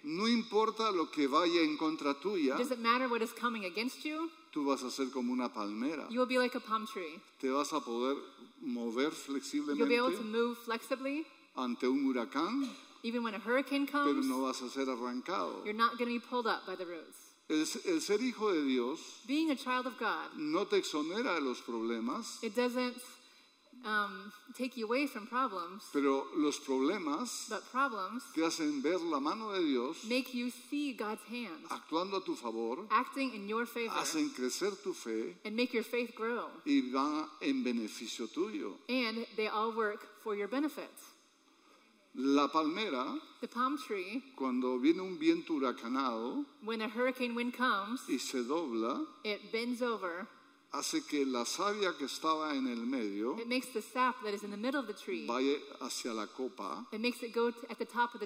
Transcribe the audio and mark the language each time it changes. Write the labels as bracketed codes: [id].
[es] No importa lo que vaya en contra tuya, [en] does it matter what is coming against you? [es] Tú vas a ser como una palmera. [en] You will be like a palm tree. [es] Te vas a poder mover flexiblemente. [en] You'll be able to move flexibly [es] ante un huracán, [en] even when a hurricane comes, [es] pero no vas a ser arrancado. [en] You're not going to be pulled up by the roots. [es] El ser hijo de Dios, [en] being a child of God, [es] no te exonera de los problemas. [en] It doesn't take you away from problems. [es] Pero los problemas, [en] but problems, [es] te hacen ver la mano de Dios, [en] make you see God's hand, [es] actuando a tu favor, [en] acting in your favor, [es] hacen crecer tu fe, [en] and make your faith grow, [es] y van en beneficio tuyo. [en] And they all work for your benefit. [es] La palmera, [en] the palm tree, [es] cuando viene un viento huracanado, [en] when a hurricane wind comes, [es] y se dobla, [en] it bends over, [es] hace que la savia que estaba en el medio, [en] it makes the sap that is in the middle of the tree, [es] vaya hacia la copa, [en] it makes it go at the top of the